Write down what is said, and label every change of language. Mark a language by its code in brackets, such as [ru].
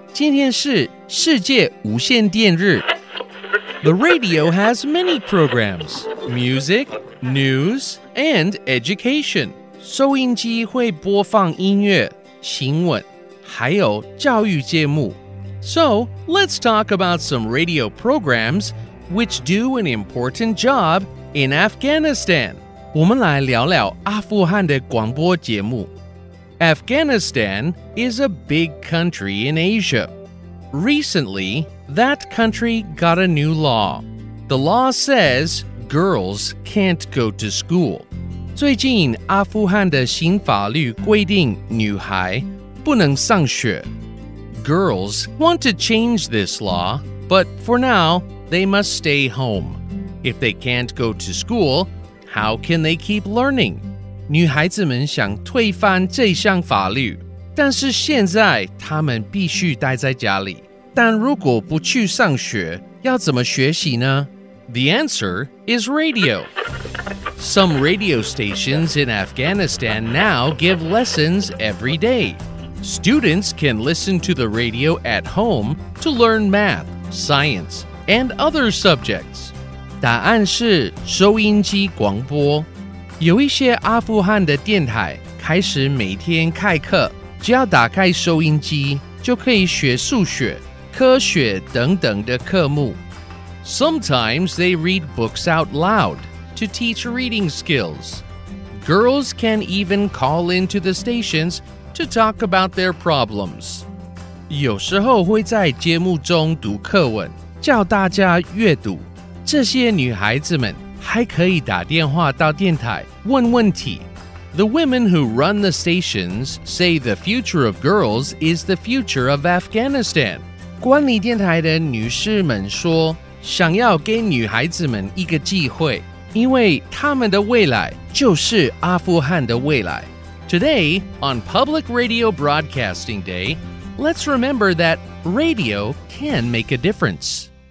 [zh] 今天是世界无线电日。 [en] The radio has many programs. Music, news, and education. [zh] 收音机会播放音乐、新闻、还有教育节目。 [en] So, let's talk about some radio programs which do an important job in Afghanistan. [zh] 我们来聊聊阿富汗的广播节目。 [en] Afghanistan is a big country in Asia. Recently, that country got a new law. The law says girls can't go to school. [zh] 最近阿富汗的新法律规定女孩不能上学。 [en] Girls want to change this law, but for now, they must stay home. If they can't go to school, how can they keep learning? [zh] 女孩子们想推翻这项法律，但是现在她们必须待在家里。但如果不去上学，要怎么学习呢？ [en] The answer is radio. Some radio stations in Afghanistan now give lessons every day. Students can listen to the radio at home to learn math, science, and other subjects. [zh] 答案是收音机广播。有一些阿富汗的电台开始每天开课，只要打开收音机就可以学数学、科学等等的科目。 [en] Sometimes they read books out loud to teach reading skills. Girls can even call into the stations to talk about their problems. [zh] 有时候会在节目中读课文，教大家阅读。这些女孩子们还可以打电话到电台问问题。 [en] The women who run the stations say the future of girls is the future of Afghanistan. [zh] 管理电台的女士们说，想要给女孩子们一个机会，因为她们的未来就是阿富汗的未来。 [en] Today, on Public Radio Broadcasting Day, let's remember that radio can make a difference.